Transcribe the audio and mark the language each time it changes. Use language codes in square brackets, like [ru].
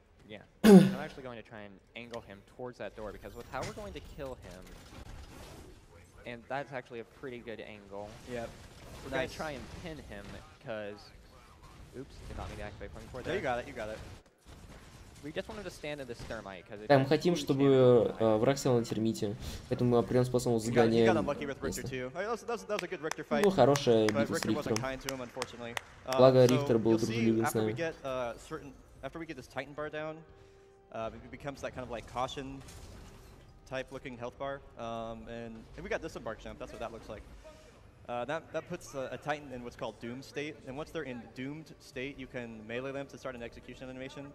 [en] Yeah, I'm actually going to try and angle him towards that door, because with how we're going to kill him, and that's actually a pretty good angle. Yep. We're going to try and pin him, because... Oops, did not mean to activate point four there. You got it, you got it. We just wanted to stand in this thermite, because... [ru] Да, мы хотим, чтобы враг стоял на термите, поэтому мы определенным способом загоняем... [en] You got unlucky with Richter, too. I mean, that was a good Richter fight. [ru] Ну, хорошая битва с Рихтером. Благо, Рихтер был дружелюбен с нами. [en] After we get this Titan bar down, it becomes that kind of like caution type looking health bar. And we got this embark jump, that's what that looks like. That puts a Titan in what's called doom state. And once they're in doomed state, you can melee them to start an execution animation.